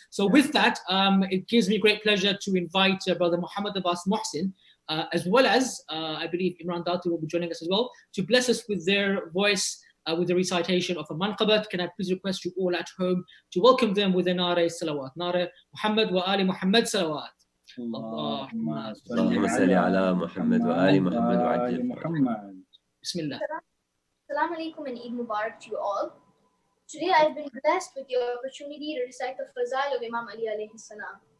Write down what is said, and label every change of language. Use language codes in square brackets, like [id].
[en] So with that, it gives me great pleasure to invite Brother Muhammad Abbas Mohsin, as well as I believe Imran Dati will be joining us as well, to bless us with their voice with the recitation of a Mankabat. Can I please request you all at home to welcome them with a nara salawat? Nara Muhammad wa Ali Muhammad salawat. [ar] اللهم صل على محمد وآل محمد وعلى محمد. بسم الله. السلام عليكم [en] and Eid Mubarak to you all. Today I've been blessed with the opportunity to recite the Fazail of Imam Ali alayhi salam.